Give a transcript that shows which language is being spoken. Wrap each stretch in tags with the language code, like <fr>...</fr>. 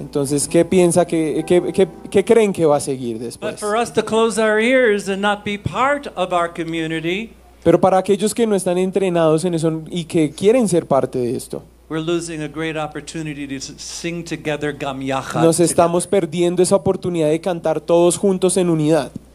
<es>Entonces, ¿qué piensa qué creen que va a seguir después?</es> <en>But for us to close our ears and not be part of our community.</en> <es>Pero para aquellos que no están entrenados en eso y que quieren ser parte de esto.</es> <en>We're losing a great opportunity to sing together</en> <he>Gam Yachad.</he> <es>Nos estamos perdiendo esa oportunidad de cantar todos juntos en unidad.</es>